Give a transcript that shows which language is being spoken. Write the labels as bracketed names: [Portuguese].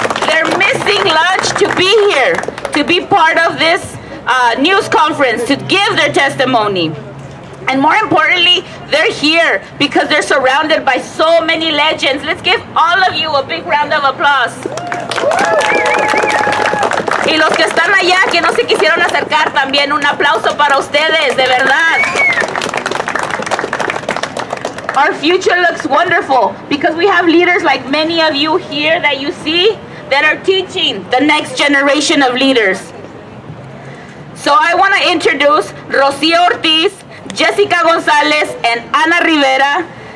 [English] They're missing lunch to be here, to be part of this news conference, to give their testimony. And more importantly, they're here because they're surrounded by so many legends. Let's give all of you a big round of applause. [Spanish] Y los que están allá, que no se quisieron acercar, también un aplauso para ustedes, de verdad. [English] Our future looks wonderful because we have leaders like many of you here that you see that are teaching the next generation of leaders. So I want to introduce Rocío Ortiz, Jessica Gonzalez, and Ana Rivera.